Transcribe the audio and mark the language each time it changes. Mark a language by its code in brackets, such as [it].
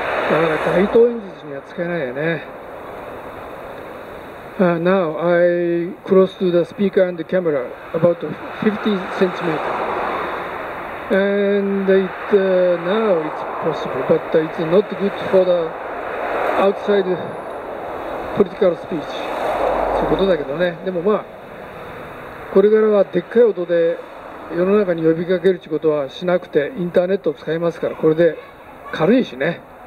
[ja] だから街頭演説には使えないよね。 [en] Now I close to the speaker and the camera about 50 centimeters. And it, now it's possible, but it's not good for the outside political speech. [ja] そういうことだけどね。でもまあ、これからはでっかい音で世の中に呼びかけるってことはしなくて、インターネットを使いますから、これで軽いしね。